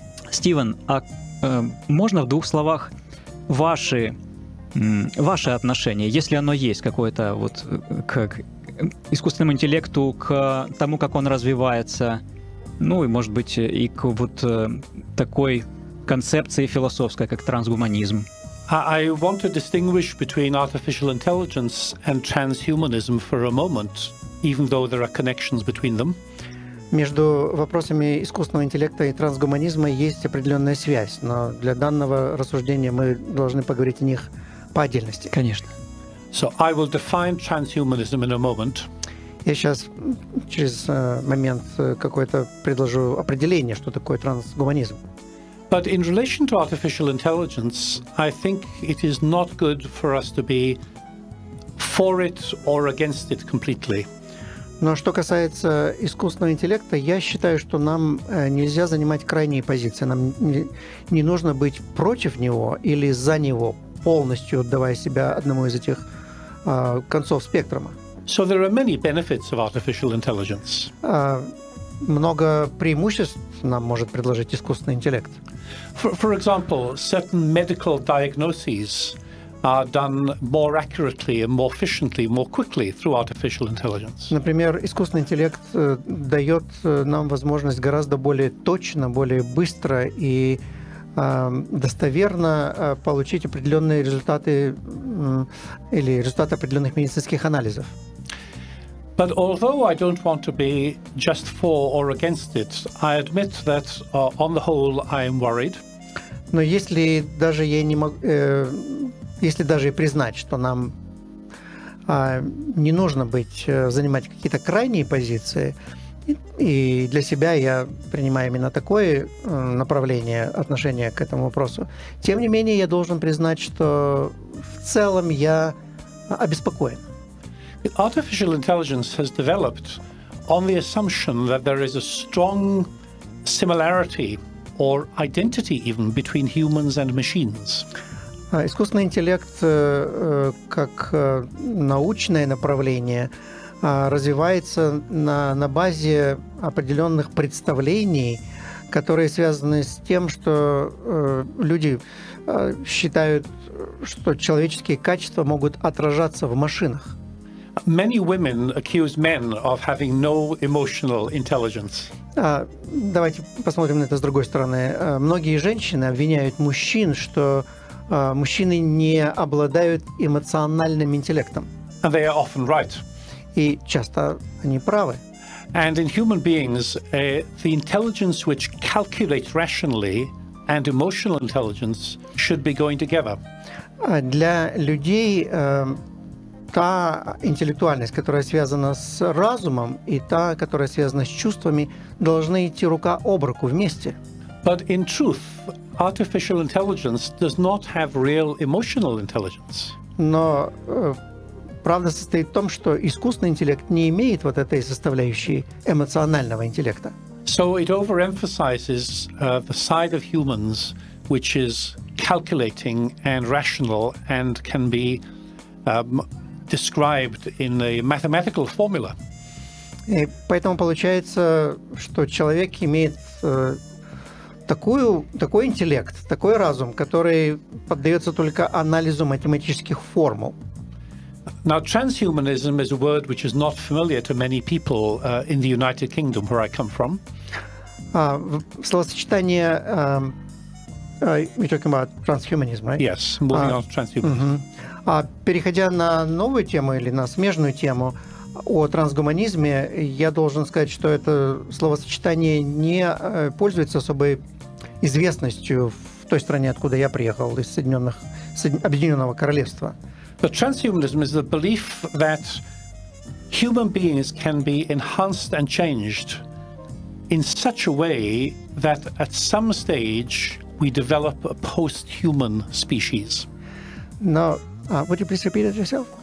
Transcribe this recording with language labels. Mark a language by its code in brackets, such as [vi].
[ru] Стивен, а можно в двух словах ваше отношение, если оно есть какое-то вот к искусственному интеллекту, к тому, как он развивается, ну и, может быть, и к вот такой концепции философской, как трансгуманизм? [en] I want to distinguish between artificial intelligence and transhumanism for a moment, even though there are connections between them. [ru] Между вопросами искусственного интеллекта и трансгуманизма есть определенная связь, но для данного рассуждения мы должны поговорить о них по отдельности. Конечно. [en] So I will define transhumanism in a moment. [ru] Я сейчас через момент какое-то предложу определение, что такое трансгуманизм. [en] But in relation to artificial intelligence, I think it is not good for us to be for it or against it completely. [ru] Но что касается искусственного интеллекта, я считаю, что нам нельзя занимать крайние позиции. Нам не нужно быть против него или за него, полностью отдавая себя одному из этих концов спектрума. [en] So there are many benefits of artificial intelligence. [ru] Много преимуществ нам может предложить искусственный интеллект. [en] For example, certain medical diagnoses are done more accurately and more efficiently, more quickly through artificial intelligence. [ru] Например, искусственный интеллект дает нам возможность гораздо более точно, более быстро и достоверно получить определенные результаты или результаты определенных медицинских анализов. [en] But although I don't want to be just for or against it, I admit that on the whole I am worried. [ru] Но если даже я не могу, если даже и признать, что нам не нужно занимать какие-то крайние позиции, и для себя я принимаю именно такое направление отношения к этому вопросу, тем не менее я должен признать, что в целом я обеспокоен. [en] Artificial intelligence has developed on the assumption that there is a strong similarity or identity even between humans and machines. [ru] Искусственный интеллект как научное направление развивается на базе определенных представлений, которые связаны с тем, что люди считают, что человеческие качества могут отражаться в машинах. [en] Many women accuse men of having no emotional intelligence. [ru] Давайте посмотрим на это с другой стороны. Многие женщины обвиняют мужчин, что мужчины не обладают эмоциональным интеллектом. [en] And they are often right. [ru] И часто они правы. [en] And in human beings, the intelligence which calculates rationally and emotional intelligence should be going together. [ru] Для людей та интеллектуальность, которая связана с разумом, и та, которая связана с чувствами, должны идти рука об руку вместе. [en] But in truth, artificial intelligence does not have real emotional intelligence. [ru] Но правда состоит в том, что искусственный интеллект не имеет вот этой составляющей эмоционального интеллекта. [en] So it overemphasizes the side of humans which is calculating and rational and can be described in a mathematical formula. [ru] И поэтому получается, что человек имеет такой интеллект, такой разум, который поддается только анализу математических формул. [en] Now, transhumanism is a word which is not familiar to many people in the United Kingdom, where I come from. [ru] Словосочетание, [en] we're talking about transhumanism, right? Yes, moving on to transhumanism. Uh-huh. [ru] Переходя на новую тему или на смежную тему о трансгуманизме, я должен сказать, что это словосочетание не пользуется особой известностью в той стране, откуда я приехал, из Объединенного Королевства. [en] But transhumanism is the belief that human beings can be enhanced and changed in such a way that at some stage we develop a post-human species. No, would you please repeat it yourself?